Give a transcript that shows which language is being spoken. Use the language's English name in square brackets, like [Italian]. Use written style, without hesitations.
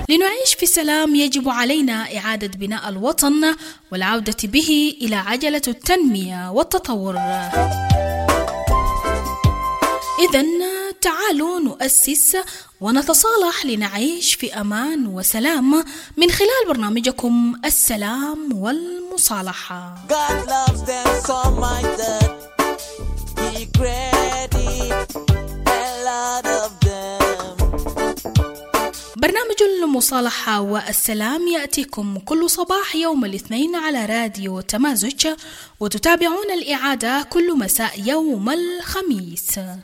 [Arabic] لنعيش في سلام يجب علينا إعادة بناء الوطن والعودة به إلى عجلة التنمية والتطور. إذن تعالوا نؤسس ونتصالح لنعيش في أمان وسلام من خلال برنامجكم السلام والمصالحة. [English] God loves them so much that he created a lot of them. [Arabic] برنامج المصالحة والسلام يأتيكم كل صباح يوم الاثنين على راديو تمازج، وتتابعون الإعادة كل مساء يوم الخميس.